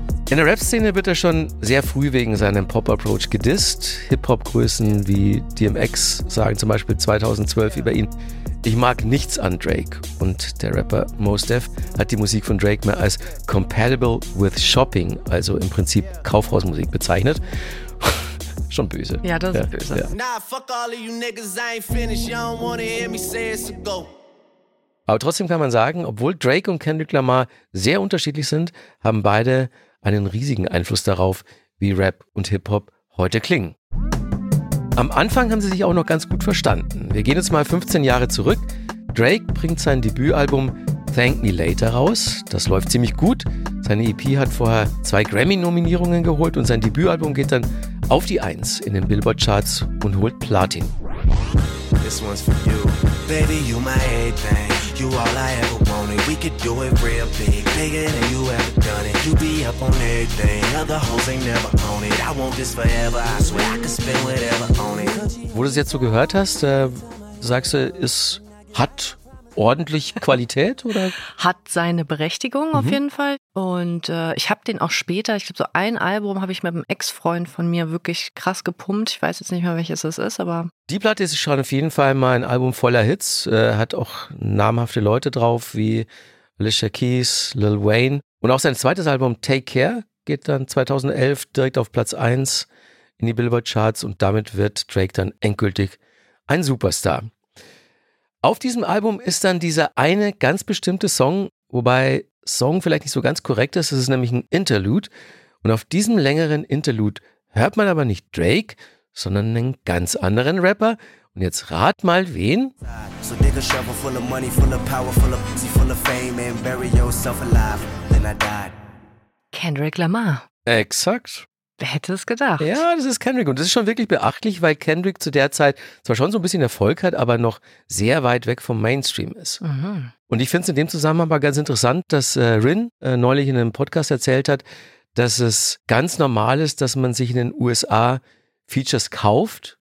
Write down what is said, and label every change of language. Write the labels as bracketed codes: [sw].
[de] In der Rap-Szene wird er schon sehr früh wegen seinem Pop-Approach gedisst. Hip-Hop-Größen wie DMX sagen zum Beispiel 2012 über ihn: Ich mag nichts an Drake. Und der Rapper Mos Def hat die Musik von Drake mehr als [en] compatible with shopping, [de] also im Prinzip Kaufhausmusik, bezeichnet. Schon böse. Ja, das ist böse. Ja. [en] Nah, fuck all of you niggas, I ain't finished. You don't wanna hear me say it's a go. [de] Aber trotzdem kann man sagen, obwohl Drake und Kendrick Lamar sehr unterschiedlich sind, haben beide einen riesigen Einfluss darauf, wie Rap und Hip-Hop heute klingen. Am Anfang haben sie sich auch noch ganz gut verstanden. Wir gehen jetzt mal 15 Jahre zurück. Drake bringt sein Debütalbum Thank Me Later raus. Das läuft ziemlich gut. Seine EP hat vorher 2 Grammy-Nominierungen geholt und sein Debütalbum geht dann auf die 1 in den Billboard-Charts und holt Platin. [en] This one's for you. Baby, you my everything. You all I ever wanted. We could do it real big. Bigger than you ever done it. You be up on everything. Other hoes ain't never on it. I want this forever. I swear I could spend whatever on it. [de] Wo du es jetzt so gehört hast, sagst du, es hat ordentlich Qualität oder? Hat seine Berechtigung auf jeden Fall. Und ich habe den auch später, ich glaube so ein Album habe ich mit einem Ex-Freund von mir wirklich krass gepumpt. Ich weiß jetzt nicht mehr, welches es ist, aber. Die Platte ist schon auf jeden Fall mal ein Album voller Hits. Hat auch namhafte Leute drauf wie Alicia Keys, Lil Wayne. Und auch sein zweites Album Take Care geht dann 2011 direkt auf Platz 1 in die Billboard Charts. Und damit wird Drake dann endgültig ein Superstar. Auf diesem Album ist dann dieser eine ganz bestimmte Song, wobei Song vielleicht nicht so ganz korrekt ist, es ist nämlich ein Interlude. Und auf diesem längeren Interlude hört man aber nicht Drake, sondern einen ganz anderen Rapper. Und jetzt rat mal wen. [en] So dig a shovel full of money, full of power, full of pussy, full of fame and bury yourself alive, then I died. [de] Kendrick Lamar. Exakt. Hätte es gedacht. Ja, das ist Kendrick. Und das ist schon wirklich beachtlich, weil Kendrick zu der Zeit zwar schon so ein bisschen Erfolg hat, aber noch sehr weit weg vom Mainstream ist. Mhm. Und ich finde es in dem Zusammenhang aber ganz interessant, dass Rin neulich in einem Podcast erzählt hat, dass es ganz normal ist, dass man sich in den USA Features kauft.